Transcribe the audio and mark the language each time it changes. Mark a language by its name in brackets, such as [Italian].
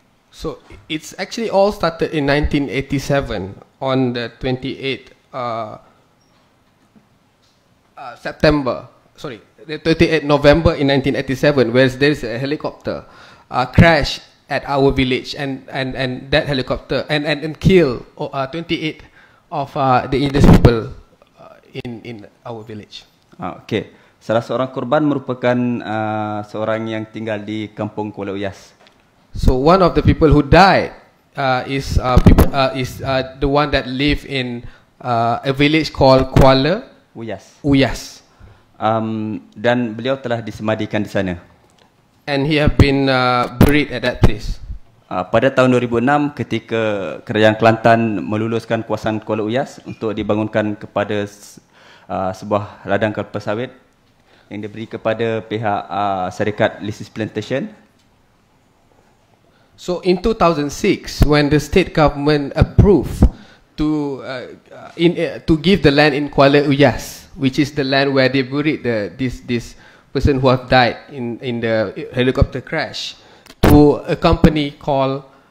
[English] So it's actually all started in 1987 on the 28 November in 1987, where there's a helicopter crash at our village and that helicopter and kill 28 of the indigenous people in our village. [Malay] Okay, salah seorang korban merupakan seorang yang tinggal di Kampung Kuala Uyas. [English] So one of the people who died is the one that live in a village called Kuala Uyas. [Malay] Dan beliau telah disemadikan di sana. [English] And he have been buried at that place. [Malay] Pada tahun 2006 ketika Kerajaan Kelantan meluluskan kawasan Kuala Uyas untuk dibangunkan kepada sebuah ladang kelapa sawit yang diberi kepada pihak syarikat Lysis Plantation. [English] So in 2006, when the state government approved to give the land in Kuala Uyas, which is the land where they buried this person who have died in the helicopter crash, to a company called